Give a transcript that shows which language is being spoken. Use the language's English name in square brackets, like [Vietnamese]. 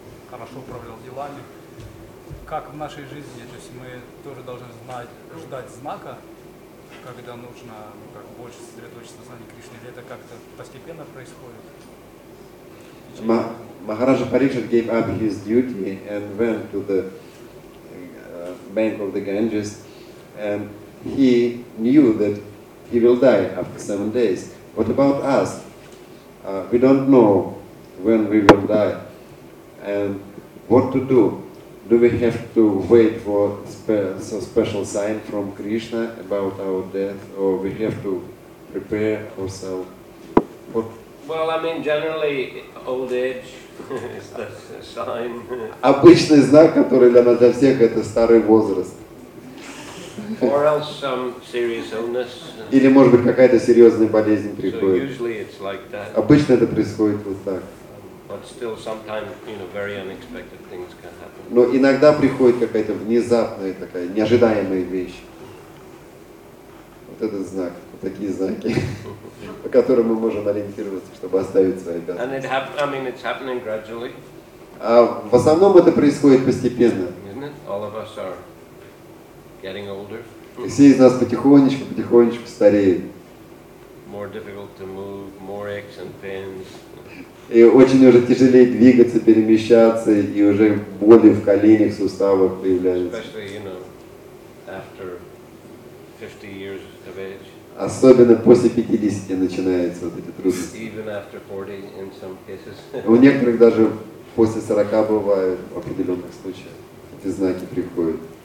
[Russian] Хорошо управлял делами. Как в нашей жизни, то есть мы тоже должны знать, ждать знака, когда нужно, ну, как больше сосредоточиться на знании Кришны, или это как-то постепенно происходит? [English] Махараджа Парикшит gave up his duty and went to the bank of the Ganges, and he knew that he will die after 7 days. What about us? We don't know when we will die. And what to do? Do we have to wait for some special sign from Krishna about our death, or we have to prepare ourselves? What? Well, I mean, generally, old age is the sign. [Russian] Обычный знак, который для нас для всех это старый возраст. [English] Or else some serious illness. [Russian] Или может быть какая-то серьезная болезнь приходит. [English] So usually it's like that. [Russian] Обычно это происходит вот так. [English] But still, sometimes, you know, very unexpected things can happen. [Russian] Но иногда приходит какая-то внезапная такая неожидаемая вещь. Вот этот знак, вот такие знаки, по которым мы можем ориентироваться, чтобы оставить свои обязанности. [English] And it happens. I mean, it's happening gradually. [Russian] А в основном это происходит постепенно. [English] Isn't it? All of us are getting older. [Russian] Все из нас потихонечку стареют. [English] More difficult to move, more aches and pains. [Russian] И очень уже тяжелее двигаться, перемещаться, и уже боли в коленях, суставах появляются. [English] You know, after 50 years of age. [Russian] Особенно после 50 начинаются вот эти трудности. [English] Even after 40 in some cases. [Russian] У некоторых даже после 40 бывают в определенных случаях. Эти знаки приходят.